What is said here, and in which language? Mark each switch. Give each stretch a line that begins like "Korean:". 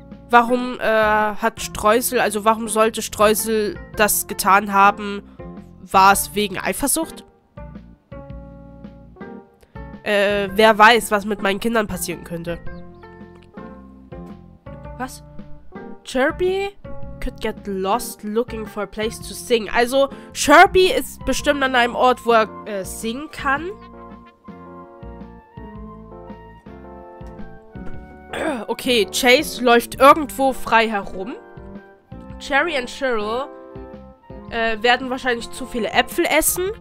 German: Warum, hat Streusel, also warum sollte Streusel das getan haben? War es wegen Eifersucht? Wer weiß, was mit meinen Kindern passieren könnte. Was? Chirpy?
English: Could get lost looking for a place to sing.
German: Also, Chirpy ist bestimmt an einem Ort, wo er singen kann. Okay, Chase läuft irgendwo frei herum. Cherry und Cheryl werden wahrscheinlich zu viele Äpfel essen.